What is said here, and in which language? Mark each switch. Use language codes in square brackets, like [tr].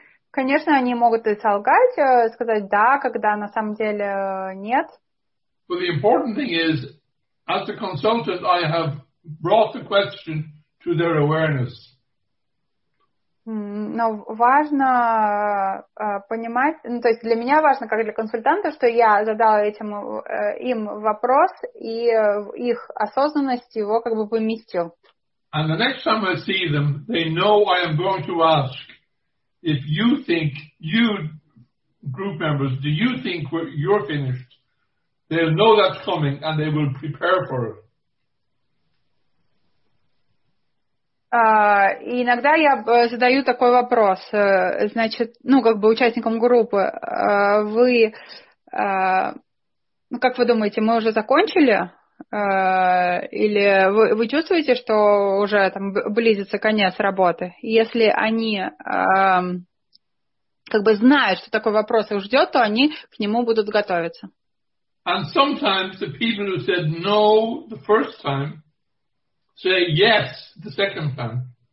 [ru] Конечно, они могут и солгать, сказать да, когда на самом деле нет. [en] But the important thing is, as a consultant, I have brought the question to their awareness. [ru] Но важно понимать, ну, то есть для меня важно, как для консультанта, что я задала этим им вопрос и их осознанность его как бы поместил. [en] And the next time I see them, they know I am going to ask if you think, you group members, do you think you're finished? They'll know that's coming and they will prepare for it. [ru] И иногда я задаю такой вопрос, значит, ну, как бы участникам группы, вы, ну, как вы думаете, мы уже закончили? Или вы чувствуете, что уже там близится конец работы? Если они как бы знают, что такой вопрос их ждет, то они к нему будут готовиться. [en] And sometimes the people who said no the first time say yes the second time.